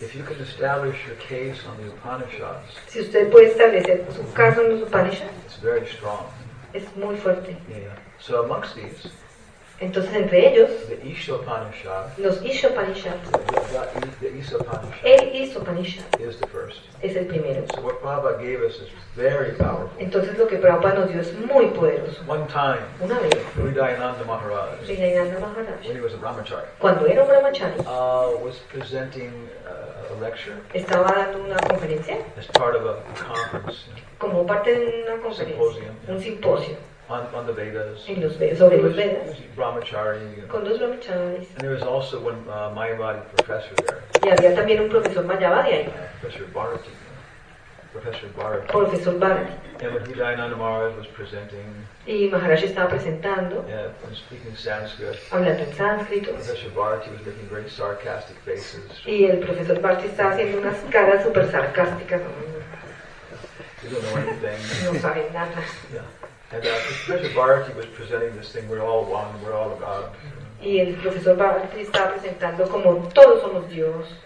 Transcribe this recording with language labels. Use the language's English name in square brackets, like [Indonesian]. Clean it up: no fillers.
[English] If you could establish your case on the Upanishads. [Spanish] Si usted puede establecer su caso en los Upanishads. [English] It's very strong. [Spanish] Es muy fuerte. [English] Yeah. So amongst these. [Spanish] Entonces entre ellos. [English] The Isha Upanishad. [Spanish] Los Isha Upanishads. [English] The Isha Upanishad. [Spanish] El Isha Upanishad. [English] Is the first. [Spanish] Es el primero. [English] So what Prabhupada gave us is very powerful. [Spanish] Entonces lo que Prabhupada nos dio es muy poderoso. [English] One time. [Spanish] Una vez. [English] Vridayananda Maharaj. [Spanish] Vridayananda Maharaj. [English] When he was a brahmachari. [Spanish] Cuando era un brahmachari. [English] Was presenting a lecture. [Spanish] Estaba dando una conferencia. [English] As part of a conference. [Spanish] Como parte de una conferencia. [English] Symposium. [Spanish] Un simposio. [English] On the Vedas. [Spanish] En los Vedas, sobre los Vedas. [English] Brahmachari. [Spanish] Con dos Brahmacharis. [English] And there was also one Mayavadi professor there. [Spanish] Y había también un profesor Mayavadi ahí. [English] Professor Bharati. Professor Bharati. [Spanish] Profesor Bharati. [English] And when Vridayananda Maharaj was presenting. [Spanish] Y Maharaj estaba presentando. [English] Yeah, and speaking Sanskrit. [Spanish] Hablando en sánscrito. [English] Professor Bharati was making very sarcastic faces. [Spanish] Y el profesor Bharati estaba haciendo unas caras super sarcásticas. [English] You don't know anything. [Spanish] No sabe nada. [English] Yeah. And Professor Bharati was presenting this thing, we're all one, we're all God. [Spanish] Y el profesor Bharati estaba presentando como todos somos Dios.